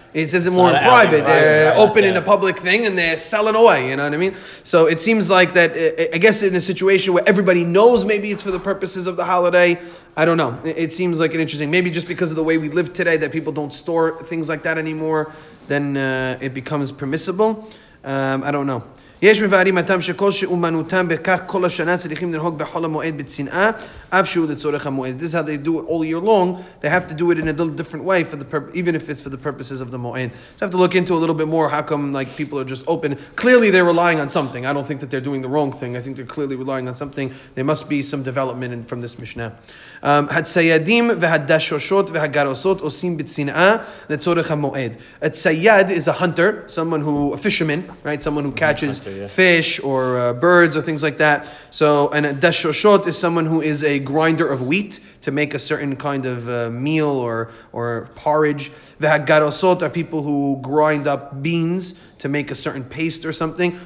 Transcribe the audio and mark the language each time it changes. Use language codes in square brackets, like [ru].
[en] It's isn't more in private. They're open in a public thing, and they're selling away. You know what I mean? So it seems like that. I guess in a situation where everybody knows, maybe it's for the purposes of the holiday. I don't know. It seems like an interesting, maybe just because of the way we live today, that people don't store things like that anymore, then it becomes permissible. I don't know. [he] יש מבארים אתם שכל שאומנותם בכך כל השנה צריכים לנהוג בחול המועד בצנעה, אף שהוא לצורך המועד. [en] This is how they do it all year long. They have to do it in a little different way, for the even if it's for the purposes of the mo'ed. So I have to look into a little bit more how come like people are just open. Clearly they're relying on something. I don't think that they're doing the wrong thing. I think they're clearly relying on something. There must be some development from this Mishnah. [he] הציידים והדשושות והגרוסות עושים בצנעה לצורך המועד. [en] A tzayad is a hunter, someone who, a fisherman, right? Someone who catches fish or birds or things like that. So, and a dashoshot is someone who is a grinder of wheat to make a certain kind of meal or porridge. Vehagarosot are people who grind up beans to make a certain paste or something.